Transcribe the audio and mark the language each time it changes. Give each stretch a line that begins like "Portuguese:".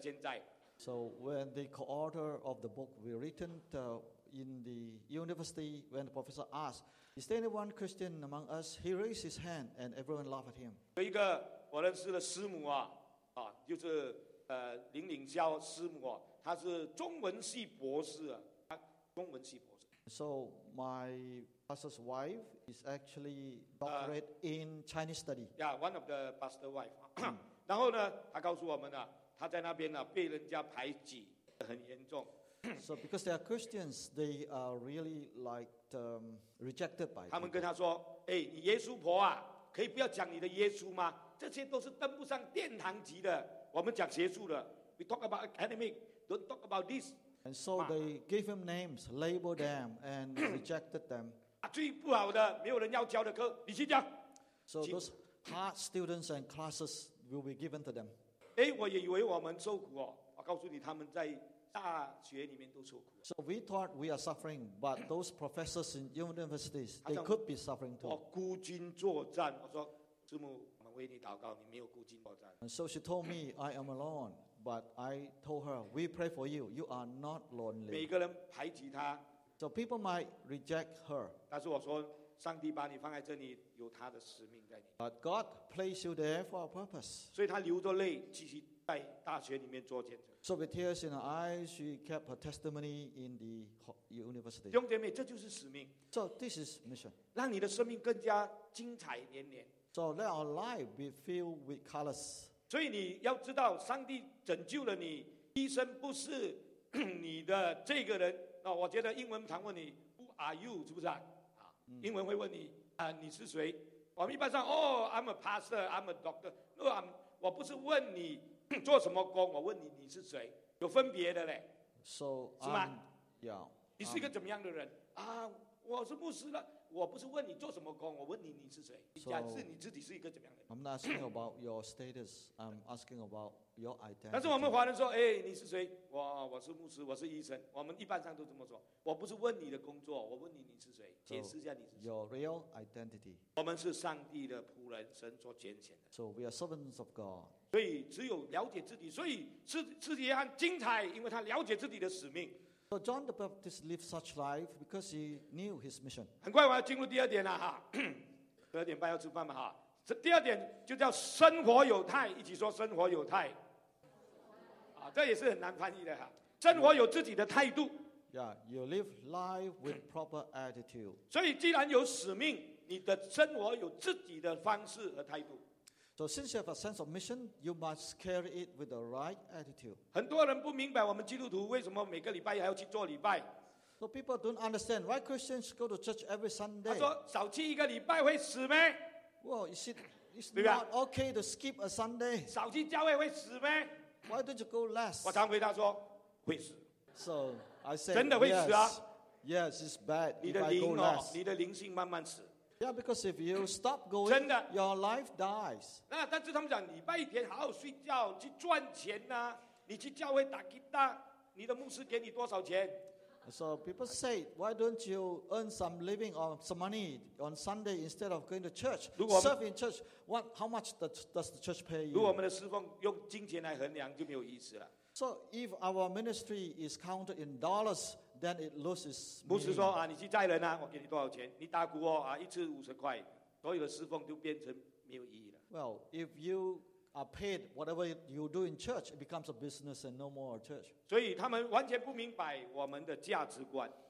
Chinese: 现在。
English: So when the co-author of the book we written in the university, when the professor asked, "Is there anyone Christian among us?" He raised his hand, and everyone laughed at him.
Chinese: 有一个我认识的师母啊，啊，就是。林岭霄师母、啊、他是中文系博士、啊、他中文系博士。
English: So my pastor's wife is actually doctorate in Chinese study. Yeah, one of the pastor's wife.
Chinese: 然后呢，他告诉我们、啊、他在那边、啊、被人家排挤，很严重。
English: So because they are Christians, they are really like rejected by.
Chinese: 他们跟他说：“哎，你耶稣婆啊，可以不要讲你的耶稣吗？这些都是登不上殿堂级的。” 我们讲学术的
English: we talk about academic, don't talk about this. And so they gave him names, labeled them, and rejected them.
Chinese: 最不好的，没有人要教的课，你去讲。
English: So those hard students and classes will be given to them.
Chinese: 哎，我也以为我们受苦哦。我告诉你，他们在大学里面都受苦。
English: So we thought we are suffering, but those professors in universities, they could be suffering too.
Chinese: 我孤军作战，我说师母。为你祷告，你没有孤军作战。
English: And so she told me, I am alone, but I told her, we pray for you. You are not lonely.
Chinese: 每个人排挤他。
English: So people might reject her.
Chinese: 但是我说，上帝把你放在这里，有他的使命在你。
English: But God placed you there for a purpose.
Chinese: 所以他流着泪，继续在大学里面做见证。
English: So with tears in her eyes, she kept her testimony in the university.
Chinese: 兄弟姐妹，这就是使命。
English: So this is mission.
Chinese: 让你的生命更加精彩连连。
English: So let our life be filled with colors.
Chinese: 所以你要知道，上帝拯救了你，医生不是你的这个人。那我觉得英文常问你
English: "Who are you?"
Chinese: 是不是啊？啊，英文会问你啊，你是谁？我们一般上
English: ，Oh, I'm a pastor, I'm a doctor. No, I'm.
Chinese: 我不是问你做什么工，我问你你是谁，有分别的嘞。
English: So
Chinese: 是吗
English: ？Yeah.
Chinese: 你是一个怎么样的人啊？我是牧师了。我不是问你做什么工，我问你你是谁，假设你自己是一个怎么样的人。
English: I'm not asking about your status. I'm asking about your identity.
Chinese: 但是我们华人说，哎，你是谁？我是牧师，我是医生。我们一般上都这么说。我不是问你的工作，我问你你是谁，解释一下你是谁。
English: Your real identity.
Chinese: 我们是上帝的仆人，神所拣选的。
English: So we are servants of God.
Chinese: 所以只有了解自己，所以使约翰精彩，因为他了解自己的使命。
English: So John the Baptist lived such life because he knew his mission.
Chinese: 很快我要进入第二点了哈，十二点半要吃饭嘛哈。这第二点就叫生活有态，一起说生活有态。啊，这也是很难翻译的哈。生活有自己的态度。
English: Yeah, you live life with proper attitude.
Chinese: 所以既然有使命，你的生活有自己的方式和态度。
English: So since you have a sense of mission, you must carry it with the right attitude.
Chinese: 很多人不明白我们基督徒为什么每个礼拜还要去做礼拜。
English: So people don't understand why Christians go to church every Sunday.
Chinese: 他说少去一个礼拜会死吗
English: ？Well, is it is not okay to skip a Sunday?
Chinese: 少去教会会死吗
English: ？Why don't you go less?
Chinese: 我常回答说会死。
English: So I said
Chinese: 真的会死啊
English: ？Yes, it's bad.
Chinese: 你的灵哦，你的灵性慢慢死。
English: Yeah, because if you stop going, your life dies.
Chinese: 那但是他们讲礼拜一天好好睡觉，去赚钱呐、啊。你去教会打吉他，你的牧师给你多少钱
English: ？So people say, why don't you earn some living or some money on Sunday instead of going to church? Serve in church. What? How much does the church pay you?
Chinese: 如果我们的侍奉用金钱来衡量，就没有意思了。
English: So if our ministry is counted in dollars, then it loses meaning.
Chinese: 牧师说啊，你去载人啊，我给你多少钱？你打鼓哦啊，一次50块，所有的侍奉就变成没有意义了。
English: Well, if you are paid whatever you do in church, it becomes a business and no more a church.
Chinese: 所以他们完全不明白我们的价值观。